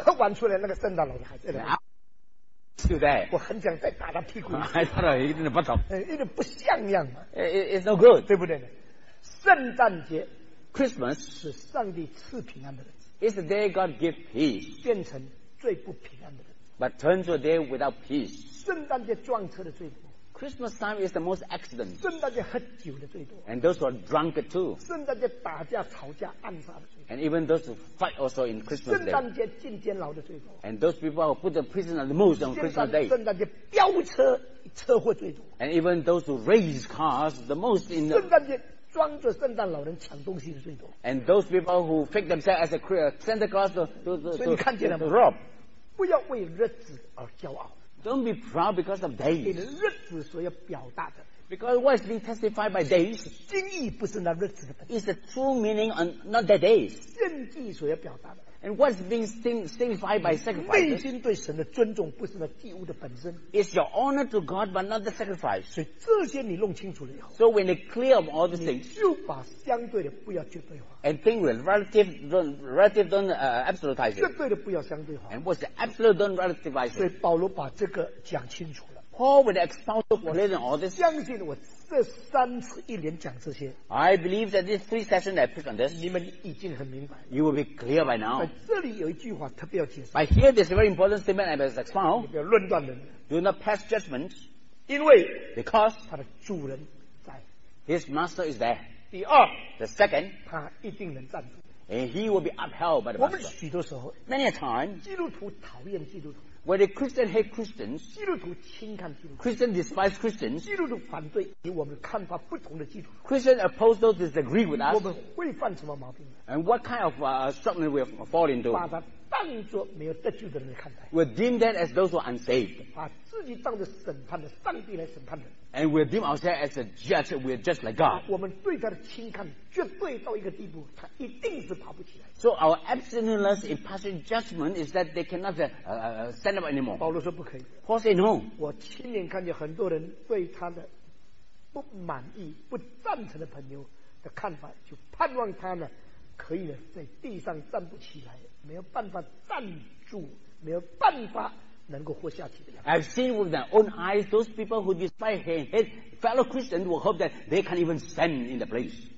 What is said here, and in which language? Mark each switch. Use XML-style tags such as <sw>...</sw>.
<zh>喝完出来那个圣诞老人还在那里</zh> <en>Still there</en> <zh>我很想再打他屁股</zh> <en>I thought he didn't butt off</en> <zh>一点不像样嘛</zh> <en>It's no good</en> <zh>对不对圣诞节</zh> <en>Christmas</en> <zh>是上帝赐平安的日子</zh> <en>It's the day God gives peace</en> <zh>变成最不平安的日子</zh> <en>But turn to a day without peace</en> <zh>圣诞节撞车的最多</zh> <en>Christmas time is the most accident</en> <zh>圣诞节喝酒的最多</zh> <en>And those who are drunk too</en> <zh>圣诞节打架吵架暗杀的最多</zh> <en>And even those who fight also in Christmas day</en> <zh>圣诞节进监牢的最多</zh> <en>And those people who put the prisoner the most on Christmas day</en> <zh>圣诞节飙车车祸最多</zh> <en>And even those who race cars the most in the</en> <zh>圣诞节装着圣诞老人抢东西的最多。</zh> <en>And those people who fake themselves as a Santa Claus so you</en> <zh>看见了吗</zh> <en>rob.</en> <zh>不要为日子而骄傲。</zh> <en>Don't be proud because of days.</en> <zh>你的日子所要表达的。</zh> <en>Because what is being testified by days?</en> <zh>今意不是那日子的。</zh> <en>It's the true meaning on not the days.</en> <zh>献祭所要表达的。</zh> <en>And what is being signified by sacrifice?</en> <zh>内心对神的尊重不是那祭物的本身。</zh> <en>It's your honor to God, but not the sacrifice.</en> <zh>所以这些你弄清楚了以后。</zh> <en>So when they clear up all these things,</en> <zh>就把相对的不要绝对化。</zh> <en>And think with relative don't absolutize it.</en> <zh>绝对的不要相对化。</zh> <en>And what's the absolute don't relativize it.</en> <zh>所以保罗把这个讲清楚了。</zh> <en>Paul would expound all this.</en> <zh>相信我这三次一连讲这些</zh> <en>I believe that these three sessions I preach on this</en> <zh>你们已经很明白</zh> <en>You will be clear by now</en> <zh>这里有一句话特别要解释</zh> <en>But here there's a very important statement I must expound</en> <zh>你不要论断人</zh> <en>Do not pass judgment</en> <zh>因为</zh> <en>Because</en> <zh>他的主人在</zh> <en>His master is there</en> <zh>第二</zh> <en>The second</en> <zh>他一定能站住</zh> <en>And he will be upheld by the master.</en> <zh>我们许多时候</zh> <en>Many a time,</en> <zh>基督徒讨厌基督徒</zh> <en>When the Christian hate Christians,</en> <zh>基督徒轻看基督徒</zh> <en>Christian despise Christians,</en> <zh>基督徒反对与我们看法不同的基督徒</zh> <en>Christian oppose those disagree with us,</en> <zh>我们会犯什么毛病</zh> <en>And what kind of shortcoming we have fallen into?</en> <zh>把他当作没有得救的人来看待</zh> <en>We deem that as those who are unsaved.</en> <zh>把自己当作审判的上帝来审判的</zh> <en>And we deem ourselves as a judge, we are just like God.</en> <zh>我们对他的轻看绝对到一个地步他一定是</zh> <en>So our absoluteness in passing judgment is that they cannot stand up anymore.</en> <zh>保罗说不可以。</zh> <en>Paul said no.</en> <zh>我亲眼看见很多人对他的不满意、不赞成的朋友的看法，就盼望他呢可以在地上站不起来，没有办法站住，没有办法能够活下去的样子。</zh> <en>I've seen with my own eyes those people who despise him, his fellow Christians will hope that they can't even stand in the place.</en>